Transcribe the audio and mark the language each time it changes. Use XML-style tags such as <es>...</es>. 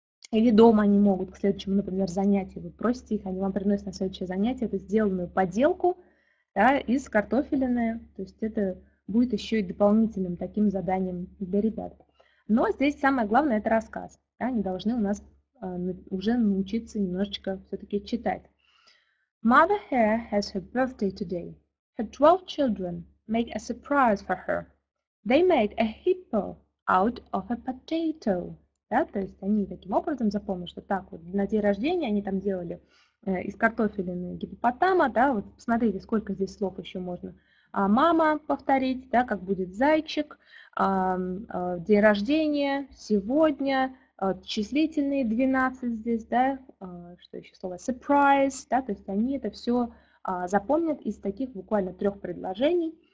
<ru>Или дома они могут к следующему, например, занятию. Вы просите их, они вам приносят на следующее занятие эту сделанную поделку, да, из картофелины. То есть это будет еще и дополнительным таким заданием для ребят. Но здесь самое главное – это рассказ. Да, они должны у нас уже научиться немножечко все-таки читать.</ru> <en>Mother Hare has her birthday today. Her 12 children make a surprise for her. They made a hippo out of a potato.</en> <ru>Да, то есть они таким образом запомнят, что так вот на день рождения они там делали из картофелины гиппопотама, да, вот посмотрите, сколько здесь слов еще можно. А мама повторить, да, как будет зайчик, день рождения, сегодня, числительные 12 здесь, да, что еще слово, surprise, да, то есть они это все запомнят из таких буквально трех предложений,</ru>